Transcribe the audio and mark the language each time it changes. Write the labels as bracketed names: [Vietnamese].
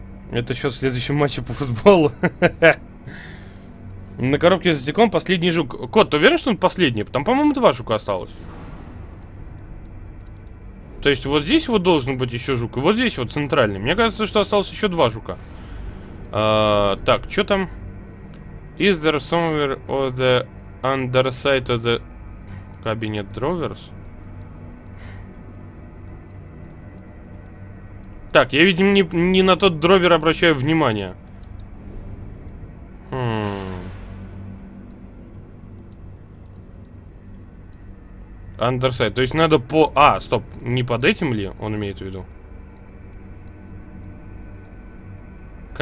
[Russian] Это счет в следующем матче по футболу. На коробке за стеклом последний жук. Кот, ты уверен, что он последний? Там, по-моему, два жука осталось. То есть вот здесь вот должен быть еще жук. И вот здесь вот центральный. Мне кажется, что осталось еще два жука. Так, что там? [English] Is there somewhere on the underside of the cabinet drawers? [Russian] Так, я, видимо, не на тот дровер обращаю внимание. Underside. То есть надо по... А, стоп, не под этим ли он имеет в виду? К